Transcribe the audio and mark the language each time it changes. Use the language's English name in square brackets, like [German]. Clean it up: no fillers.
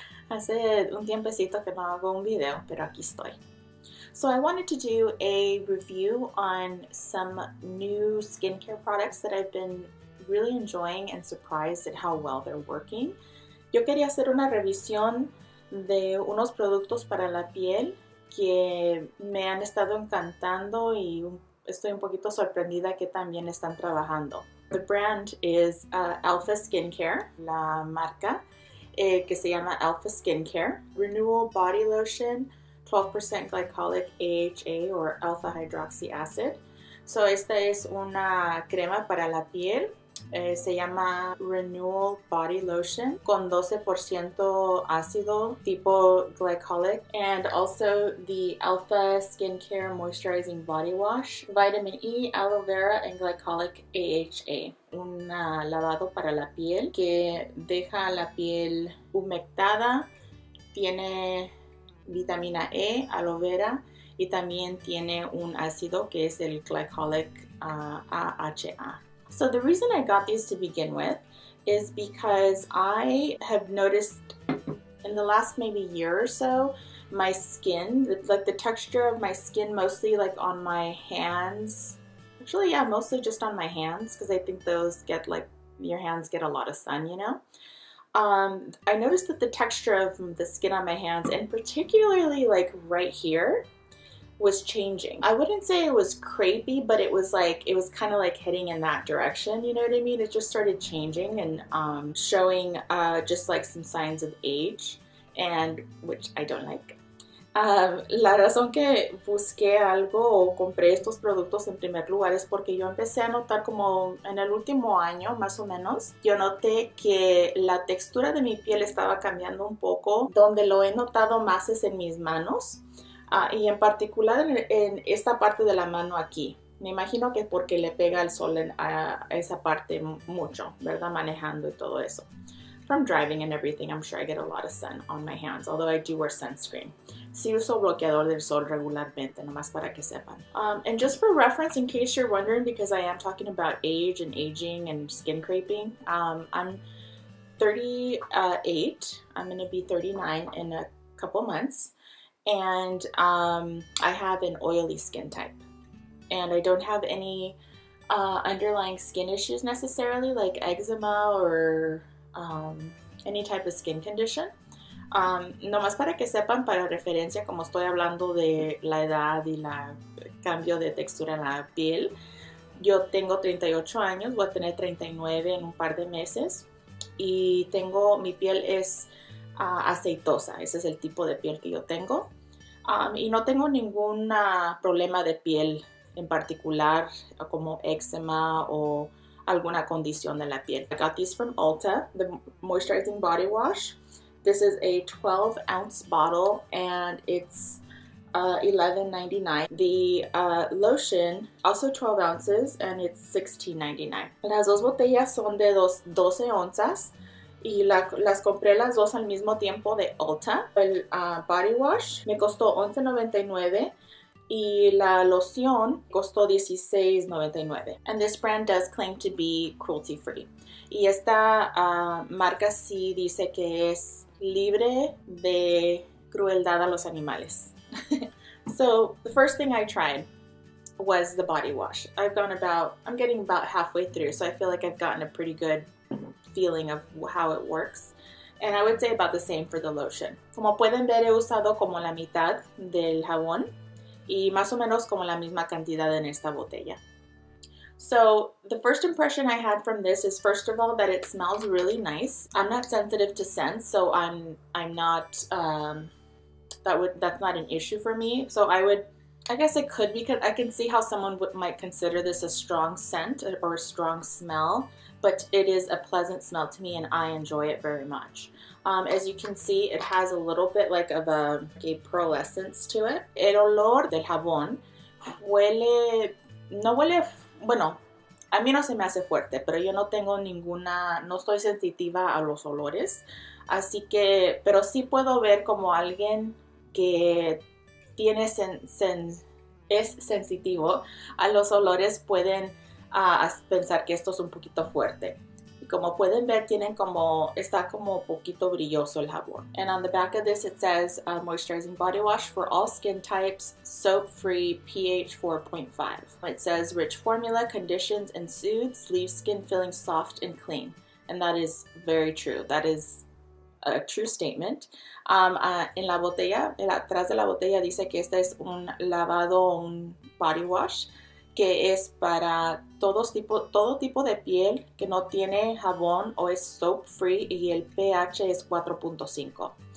[Spanish] Hace un tiempecito que no hago un video, pero aquí estoy. [English] So I wanted to do a review on some new skincare products that I've been really enjoying and surprised at how well they're working. [Spanish] Yo quería hacer una revisión de unos productos para la piel que me han estado encantando y estoy un poquito sorprendida que también están trabajando. [English] The brand is [Spanish] Alpha Skincare, la marca que se llama Alpha Skincare. [English] Renewal Body Lotion, 12% Glycolic AHA or Alpha Hydroxy Acid. [Spanish] So esta es una crema para la piel. Se llama Renewal Body Lotion con 12% ácido tipo glycolic. [English] And also the Alpha Skincare Moisturizing Body Wash, Vitamin E, Aloe Vera, and Glycolic AHA. [Spanish] Un lavado para la piel que deja la piel humectada. Tiene vitamina E, aloe vera, y también tiene un ácido que es el Glycolic AHA. [English] So the reason I got these to begin with is because I have noticed in the last maybe year or so, my skin, the texture of my skin, mostly on my hands. Actually, yeah, mostly just on my hands because I think those get your hands get a lot of sun, you know? I noticed that the texture of the skin on my hands, and particularly right here, was changing. I wouldn't say it was crepey, but it was kind of heading in that direction, you know what I mean? It just started changing and showing just some signs of age, and which I don't like. [Spanish] La razón que busqué algo o compré estos productos en primer lugar es porque yo empecé a notar como en el último año, más o menos, yo noté que la textura de mi piel estaba cambiando un poco. Donde lo he notado más es en mis manos. Y en particular en esta parte de la mano aquí. Me imagino que porque le pega el sol a esa parte mucho, ¿verdad? Manejando y todo eso. [English] From driving and everything, I'm sure I get a lot of sun on my hands, although I do wear sunscreen. [Spanish] Sí uso bloqueador del sol regularmente, nomás para que sepan. [English] And just for reference, in case you're wondering, because I am talking about age and aging and skin crepey, I'm 38. I'm going to be 39 in a couple months. And I have an oily skin type. And I don't have any underlying skin issues necessarily, like eczema or any type of skin condition. [Spanish] Nomás para que sepan, para referencia, como estoy hablando de la edad y la cambio de textura en la piel, yo tengo 38 años, voy a tener 39 en un par de meses. Y tengo, mi piel es aceitosa, ese es el tipo de piel que yo tengo. Y no tengo ningún problema de piel en particular, como eczema o alguna condición de la piel. [English] I got these from Ulta, the Moisturizing Body Wash. This is a 12-ounce bottle and it's $11.99. The lotion, also 12 ounces, and it's $16.99. [Spanish] Las dos botellas son de 12 onzas. Y las compré las dos al mismo tiempo de Ulta. El body wash me costó $11.99 y la loción costó $16.99. [English] And this brand does claim to be cruelty free. [Spanish] Y esta marca sí dice que es libre de crueldad a los animales. [English] So, the first thing I tried was the body wash. I'm getting about halfway through, so I feel like I've gotten a pretty good feeling of how it works, and I would say about the same for the lotion. [Spanish] Como pueden ver, he usado como la mitad del jabón y más o menos como la misma cantidad en esta botella. [English] So the first impression I had from this is, first of all, that it smells really nice. I'm not sensitive to scents, so I'm not that's not an issue for me. So I guess it could, because I can see how someone might consider this a strong scent or a strong smell, but it is a pleasant smell to me and I enjoy it very much. As you can see, it has a little bit of a pearlescence to it. [Spanish] El olor del jabón huele, no huele, bueno, a mí no se me hace fuerte, pero yo no tengo ninguna, no estoy sensitiva a los olores, así que, pero sí puedo ver como alguien que tiene es sensitivo a los olores, pueden pensar que esto es un poquito fuerte. Y como pueden ver, tienen como, está como un poquito brilloso el jabón. [English] And on the back of this, it says moisturizing body wash for all skin types, soap free, pH 4.5. It says rich formula, conditions, and soothes, leaves skin feeling soft and clean. And that is very true. That is a true statement. [Spanish] En la botella, el atrás de la botella dice que este es un lavado, un body wash, que es para todo tipo de piel que no tiene jabón o es soap free y el pH es 4.5.